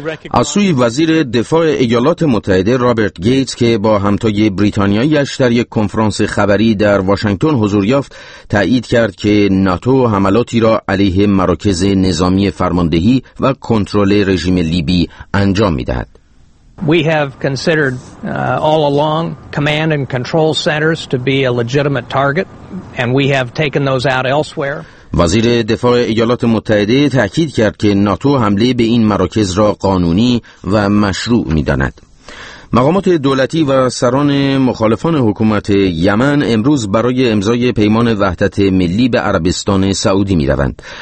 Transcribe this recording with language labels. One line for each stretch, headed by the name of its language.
Persian: از سوی وزیر دفاع ایالات متحده رابرت گیتس که با همتای بریتانیاییش در یک کنفرانس خبری در واشنگتن حضور یافت، تأیید کرد که ناتو حملاتی را علیه مراکز نظامی فرماندهی و کنترل رژیم لیبی انجام می‌دهد.
English: We have considered all along command and control centers to be a legitimate target and we have taken those out elsewhere.
Persian: وزیر دفاع ایالات متحده تأکید کرد که ناتو حمله به این مراکز را قانونی و مشروع می داند. مقامات دولتی و سران مخالفان حکومت یمن امروز برای امضای پیمان وحدت ملی به عربستان سعودی می روند.